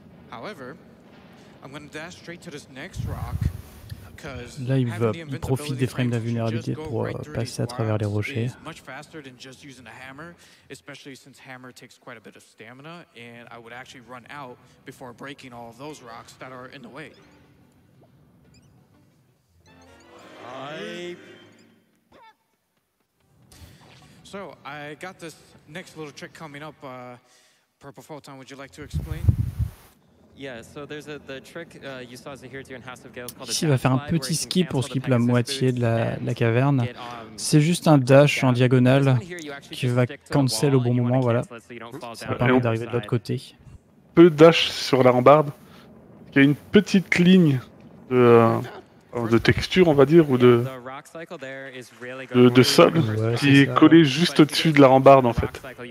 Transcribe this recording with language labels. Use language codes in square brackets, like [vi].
[en] However, I'm gonna dash straight to this next rock, cause [fr] là, il profite des frames d'invulnérabilité pour passer à travers les rochers. [en] It's much faster than just using a hammer, especially since hammer takes quite a bit of stamina, and I would actually run out before breaking all of those rocks that are in the way. So I got this next little trick coming up. Purple Photon, would you like to explain? Yeah, so there's the trick you saw Zahir do in House of Gales called [fr] a va faire un petit skip pour skip la moitié de la caverne. C'est juste un dash en diagonale qui va cancel au bon moment, voilà. Ça permet d'arriver de l'autre côté. Peu de dash sur la rambarde. Il y a une petite ligne de texture, on va dire, ou de sol, ouais, qui est collé juste au-dessus de la rambarde, en fait.